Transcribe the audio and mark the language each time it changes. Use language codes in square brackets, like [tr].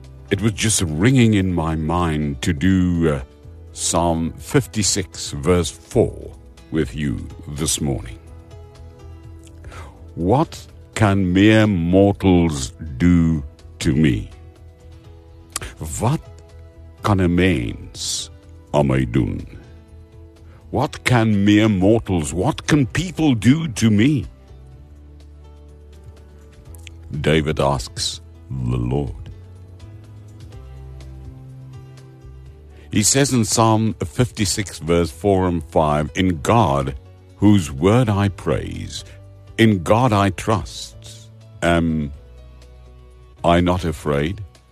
[en] It was just ringing in my mind to do Psalm 56 verse 4 with you this morning. What can mere mortals do to me? [af] Wat kan 'n mens aan my doen? [en] What can mere mortals, what can people do to me? David asks the Lord. He says in Psalm 56, verse 4 and 5, in God, whose word I praise, in God I trust, am I not afraid?